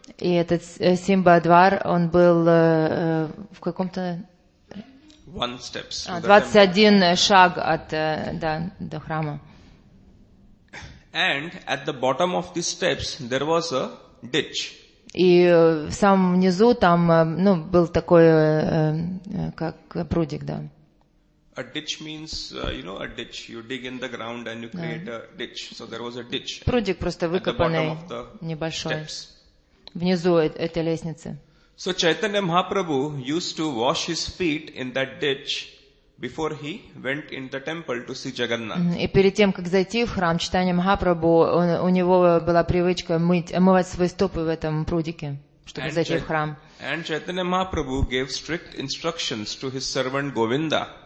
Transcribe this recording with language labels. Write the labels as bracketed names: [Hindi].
[Russian] И этот Симмадвар, он был в каком-то 21 шаг от до храма. [English] And at the bottom of these steps there was a ditch. [Russian] И в самом низу там, ну, был такой как прудик, да. [English] A ditch means, you know, a ditch. You dig in the ground and you create a ditch. So there was a ditch. [Russian] Прудик просто выкопанный небольшой. [English] Steps. [Russian] Внизу этой лестницы. [English] So Chaitanya Mahaprabhu used to wash his feet in that ditch before he went in the temple to see Jagannath. [Russian] И перед тем, как зайти в храм, Чайтанья Махапрабху, у него была привычка мывать свои стопы в этом прудике, чтобы зайти в храм. [English] And Chaitanya Mahaprabhu gave strict instructions to his servant Govinda.